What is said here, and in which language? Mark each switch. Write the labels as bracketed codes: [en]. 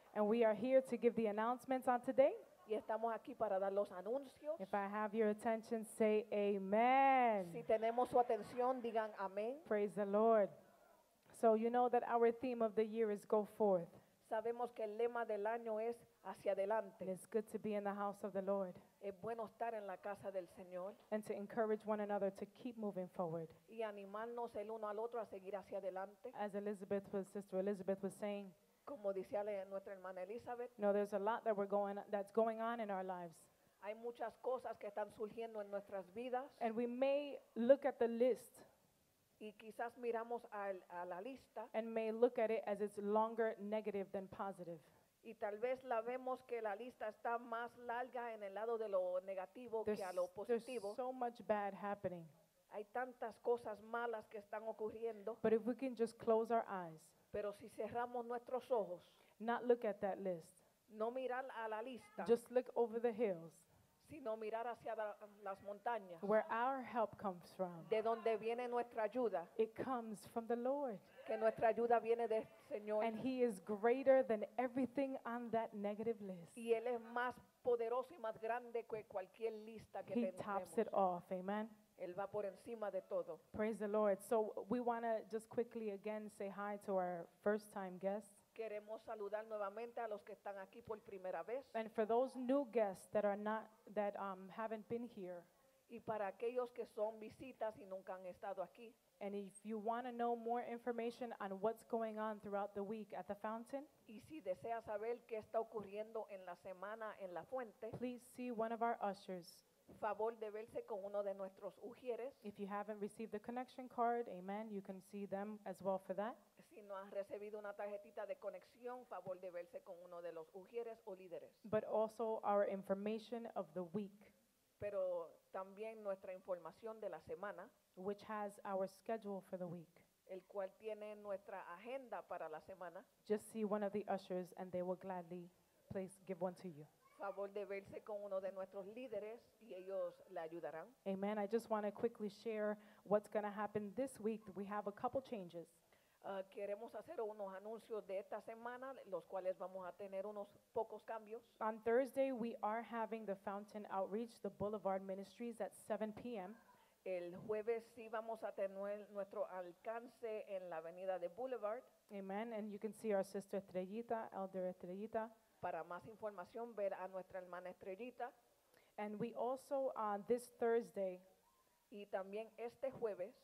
[en] And we are here to give the announcements on today. [es] Y estamos aquí para dar los anuncios. [en] If I have your attention, say amen. [es] Si tenemos su atención, digan amén. [en] Praise the Lord. So you know that our theme of the year is go forth. [es] Sabemos que el lema del año es hacia adelante. [en] It's good to be in the house of the Lord. [es] Es bueno estar en la casa del Señor. [en] And to encourage one another to keep moving forward. [es] Y animarnos el uno al otro a seguir hacia adelante. [en] As Elizabeth, Sister Elizabeth was saying. [es] Como dice nuestra hermana Elizabeth. [en] No, there's a lot that we're going, that's going on in our lives. [es] Hay muchas cosas que están surgiendo en nuestras vidas. [en] And we may look at the list. [es] Y quizás miramos a la lista. [en] And may look at it as it's longer negative than positive. [es] Y tal vez la vemos que la lista está más larga en el lado de lo negativo que a lo positivo. [en] There's so much bad happening. [es] Hay tantas cosas malas que están ocurriendo. [en] But if we can just close our eyes. [es] Pero si cerramos nuestros ojos. [en] Not look at that list. [es] No mirar a la lista. [en] Just look over the hills. [es] Sino mirar hacia las montañas. [en] Where our help comes from. [es] De donde viene nuestra ayuda. [en] It comes from the Lord. [es] Que nuestra ayuda viene del Señor. [en] And he is greater than everything on that negative list. [es] Y él es más poderoso y más grande que cualquier lista que tenemos. [en] He tops it off, amen. [es] Él va por encima de todo. [en] Praise the Lord. So we want to just quickly again say hi to our first time guests. [es] Queremos saludar nuevamente a los que están aquí por primera vez. [en] And for those new guests that are not, that haven't been here. [es] Y para aquellos que son visitas y nunca han estado aquí. [en] And if you want to know more information on what's going on throughout the week at the Fountain. [es] Y si desea saber qué está ocurriendo en la semana en la Fuente. [en] Please see one of our ushers. [es] Favor de verse con uno de nuestros ujieres. [en] If you haven't received the connection card, amen, you can see them as well for that. [es] Si no has recibido una tarjetita de conexión, favor de verse con uno de los ujieres o líderes. [en] But also our information of the week. [es] Pero también nuestra información de la semana. [en] Which has our schedule for the week. [es] El cual tiene nuestra agenda para la semana. [en] Just see one of the ushers and they will gladly place give one to you. [es] Favor de verse con uno de nuestros líderes y ellos le ayudarán. [en] Amen. I just want to quickly share what's going to happen this week. We have a couple changes. [es] Queremos hacer unos anuncios de esta semana, los cuales vamos a tener unos pocos cambios. [en] On Thursday, we are having the Fountain Outreach, the Boulevard Ministries at 7 p.m. [es] El jueves sí vamos a tener nuestro alcance en la avenida de Boulevard. [en] Amen. And you can see our sister Estrellita, Elder Estrellita. [es] Para más información, ver a nuestra hermana Estrellita. [en] And we also, this Thursday, [es] y también este jueves,